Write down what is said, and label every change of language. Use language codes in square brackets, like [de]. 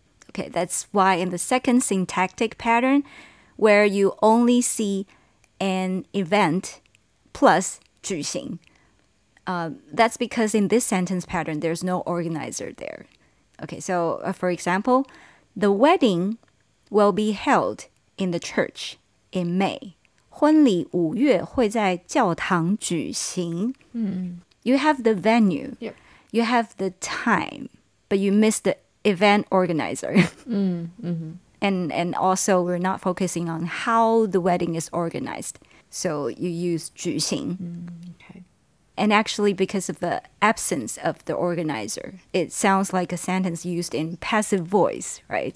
[en] Okay, that's why in the second syntactic pattern, where you only see an event plus 举行, that's because in this sentence pattern, there's no organizer there. Okay, so for example, the wedding will be held in the church in May. [zh] 婚礼五月会在教堂举行. [en] You have the venue, yep. You have the time, but you miss the event organizer. And also, we're not focusing on how the wedding is organized. So you use 举行.And actually, because of the absence of the organizer, it sounds like a sentence used in passive voice, right?